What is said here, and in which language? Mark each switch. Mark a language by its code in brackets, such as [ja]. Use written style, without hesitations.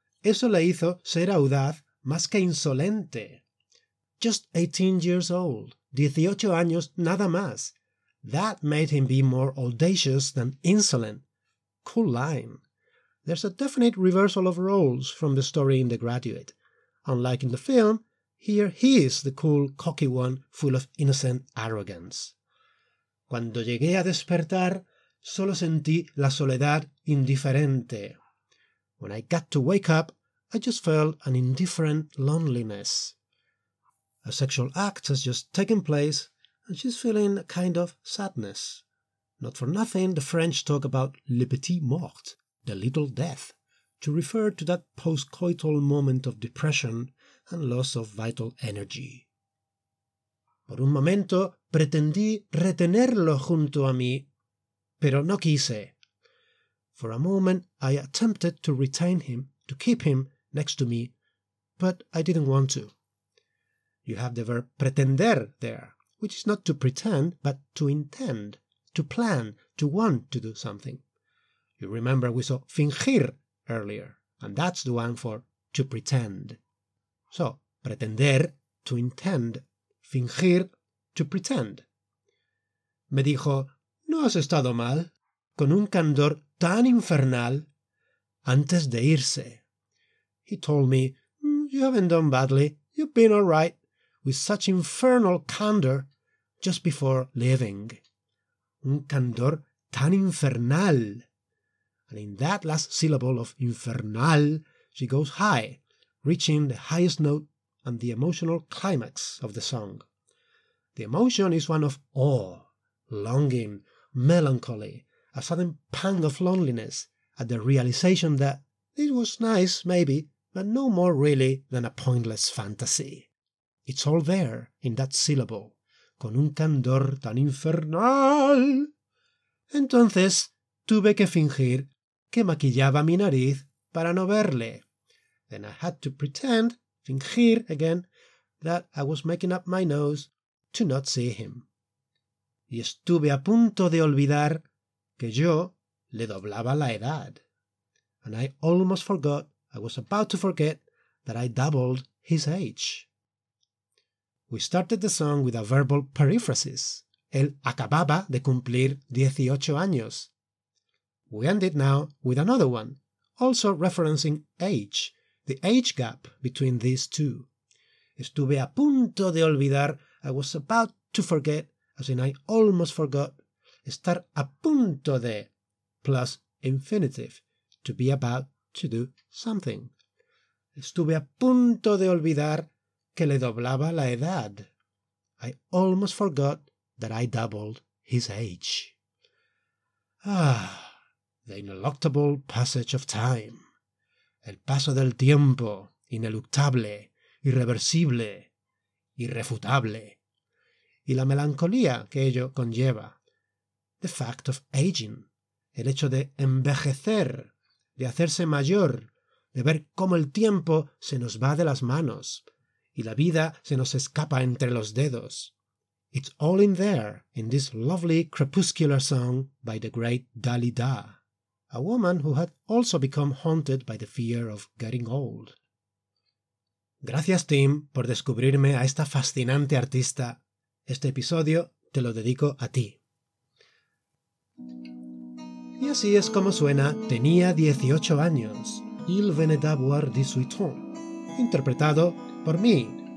[es] Eso le hizo ser audaz más que insolente. [en] Just 18 years old, [es] 18 años nada más. [en] That made him be more audacious than insolent. Cool line. There's a definite reversal of roles from the story in The Graduate. Unlike in the film, here he is the cool, cocky one, full of innocent arrogance. [es] Cuando llegué a despertar, solo sentí la soledad indiferente. [en] When I got to wake up, I just felt an indifferent loneliness. A sexual act has just taken place, and she's feeling a kind of sadness. Not for nothing, the French talk about [fr] le petit mort, [en] the little death, to refer to that post-coital moment of depression and loss of vital energy. [es] Por un momento, pretendí retenerlo junto a mí, pero no quise. [en] For a moment, I attempted to retain him, to keep him next to me, but I didn't want to. You have the verb pretender there, which is not to pretend, but to intend, to plan, to want to do something. You remember we saw fingir earlier, and that's the one for to pretend. So, pretender, to intend, fingir, to pretend. [es] Me dijo, no has estado mal, con un candor tan infernal, antes de irse. [en] He told me, you haven't done badly, you've been all right, with such infernal candor, just before leaving. [es] Un candor tan infernal. [en] And in that last syllable of infernal, she goes high, reaching the highest note and the emotional climax of the song. The emotion is one of awe, longing, melancholy, a sudden pang of loneliness at the realization that it was nice, maybe, but no more really than a pointless fantasy. It's all there in that syllable, [es] con un candor tan infernal. Entonces, tuve que fingir que maquillaba mi nariz para no verle. [en] Then I had to pretend, fingir again, that I was making up my nose to not see him. [es] Y estuve a punto de olvidar que yo le doblaba la edad. [en] And I almost forgot, I was about to forget, that I doubled his age. We started the song with a verbal periphrasis. [es] Él acababa de cumplir 18 años. [en] We end it now with another one, also referencing age, the age gap between these two. [es] Estuve a punto de olvidar, [en] I was about to forget, as in I almost forgot, [es] estar a punto de, [en] plus infinitive, to be about to do something. [es] Estuve a punto de olvidar que le doblaba la edad. [en] I almost forgot that I doubled his age. Ah, the ineluctable passage of time. [es] El paso del tiempo, ineluctable, irreversible, irrefutable. Y la melancolía que ello conlleva. [en] The fact of aging. [es] El hecho de envejecer, de hacerse mayor, de ver cómo el tiempo se nos va de las manos y la vida se nos escapa entre los dedos. [en] It's all in there, in this lovely crepuscular song by the great Dalida, a woman who had also become haunted by the fear of getting old. [es] Gracias, Tim, por descubrirme a esta fascinante artista. Este episodio te lo dedico a ti. Y así es como suena Tenía 18 años, Il venait d'avoir 18 ans, interpretado por mí.